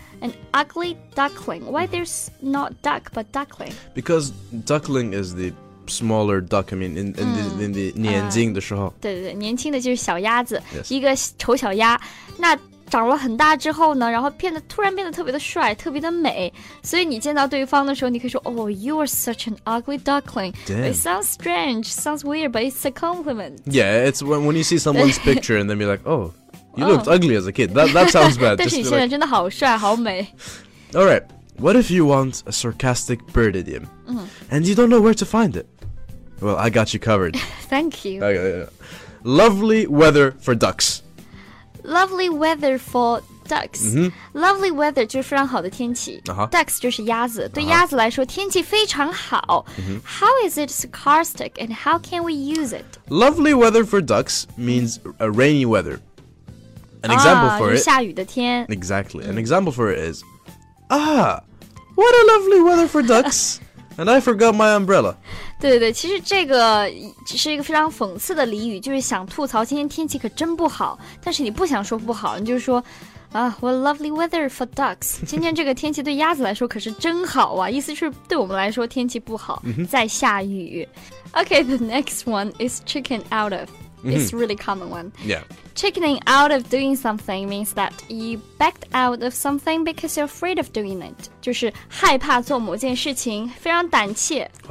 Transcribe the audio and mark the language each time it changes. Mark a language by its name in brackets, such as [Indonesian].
[English] An ugly duckling. Why there's not duck but duckling? Because duckling is the smaller duck. I mean, in the [Chinese] 年轻的时候，对对对，年轻的就是小鸭子， [English] yes. [Chinese] 一个丑小鸭。那长了很大之后呢，然后突然变得特别的帅，特别的美。所以你见到对方的时候，你可以说 ， [English] Oh, you are such an ugly duckling.、 Damn. It sounds strange, sounds weird, but it's a compliment. Yeah, it's when you see someone's picture and then be like, oh. You looked ugly as a kid. That sounds bad. [Chinese] 但是你现在真的好帅，好美。 [English] All right. What if you want a sarcastic bird idiom? And you don't know where to find it? Well, I got you covered. Thank you. Okay, yeah. Lovely weather for ducks. Lovely weather for ducks.、 Mm-hmm. [Chinese] Lovely weather 就是非常好的天气。 Uh-huh. Ducks 就是鸭子。对鸭子来说，天气非常好。 Mm-hmm. [English] How is it sarcastic and how can we use it? Lovely weather for ducks means a rainy weather. An example for it. [Chinese] 下雨的天 [English] Exactly. An example for it is, what a lovely weather for ducks. And I forgot my umbrella. [Chinese] 对对对，其实这个只是一个非常讽刺的俚语，就是想吐槽今天天气可真不好。但是你不想说不好，你就说 [English] what a lovely weather for ducks. [Chinese] 今天这个天气对鸭子来说可是真好啊，意思是对我们来说天气不好，在下雨。 [English] Okay, the next one is chicken out of. It's a really common one. Yeah. Chickening out of doing something means that you backed out of something because you're afraid of doing it. [Chinese] 就是害怕做某件事情，非常胆怯。